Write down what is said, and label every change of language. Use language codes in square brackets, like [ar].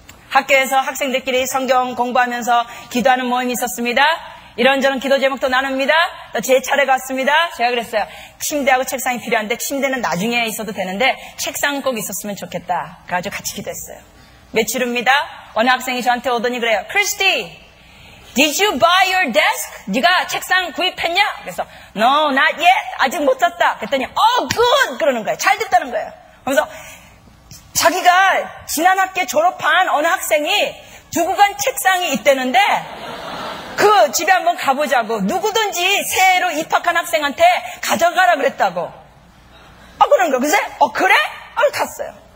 [ko] 학교에서 학생들끼리 성경 공부하면서 기도하는 모임이 있었습니다. 이런저런 기도 제목도 나눕니다. 또 제 차례 갔습니다. 제가 그랬어요. 침대하고 책상이 필요한데 침대는 나중에 있어도 되는데 책상은 꼭 있었으면 좋겠다. 그래가지고 같이 기도했어요. 며칠 후입니다. 어느 학생이 저한테 오더니 그래요. [en] 크리스티! Did you buy your desk? [ko] 네가 책상 구입했냐? 그래서 [en] No, not yet. [ko] 아직 못 샀다. 그랬더니 [en] Oh, good! [ko] 그러는 거예요. 잘 됐다는 거예요. 그래서 자기가 지난 학기에 졸업한 어느 학생이 두고 간 책상이 있대는데 그 집에 한번 가보자고 누구든지 새해로 입학한 학생한테 가져가라 그랬다고. 아 그런 거. 그래? 어 그래? 아 갔어요.